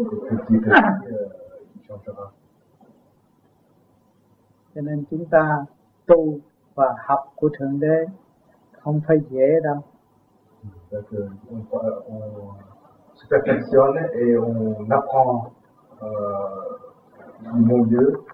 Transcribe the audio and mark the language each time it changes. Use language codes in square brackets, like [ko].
[fr] Petit à petit, il changera. [vi] Cho nên chúng ta tu và học của Thượng Đế không phải dễ đâu. [fr] Donc, on se perfectionne et on apprend du bon Dieu.